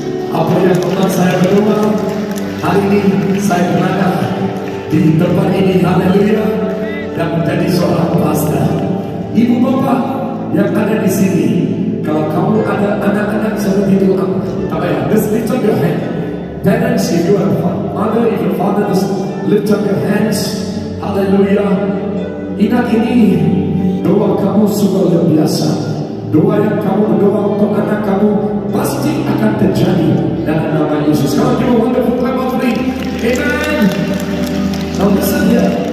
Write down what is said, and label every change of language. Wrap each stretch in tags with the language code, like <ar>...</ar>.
<ms>Apa yang pernah saya berdoa, hari ini saya berada di tempat ini, haleluya, dan menjadi seorang pastor. Ibu bapa yang ada di sini, kalau kamu ada anak-anak seperti itu, apa ya,</ms> <en>just lift up your hand. Parents, if you are mother, if your father, just lift up your hands.</en> <ms>Haleluya. Ingat ini, doa kamu sungguh luar biasa. Doa yang kamu berdoa untuk anak kamu pasti akan terjadi dalam nama Yesus. Kalau kita mengundang bukan maturi, amen.</ms> <en>Now listen here.</en>